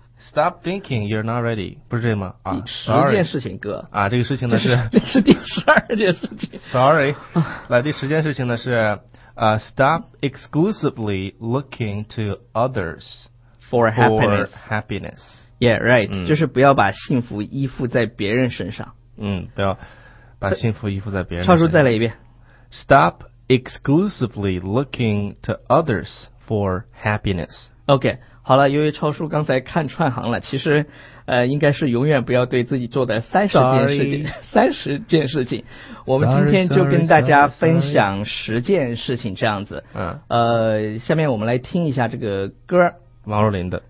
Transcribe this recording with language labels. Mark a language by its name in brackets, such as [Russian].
[English] Stop thinking you're not ready， [Chinese] 不是这吗？啊，第十件事情，哥啊，这个事情呢是这是第十二件事情。 [English] Sorry， [Chinese] 来，第十件事情呢是 [English] stop exclusively looking to others for happiness。 Yeah， right， [Chinese] 就是不要把幸福依附在别人身上。嗯，不要把幸福依附在别人身上。超叔再来一遍。 [English] Stop exclusively looking to others for happiness。 OK。 [Chinese] 好了，由于超叔刚才看串行了，其实应该是永远不要对自己做的三十件事情。我们今天就跟大家分享十件事情这样子。嗯。下面我们来听一下这个歌。王若琳的。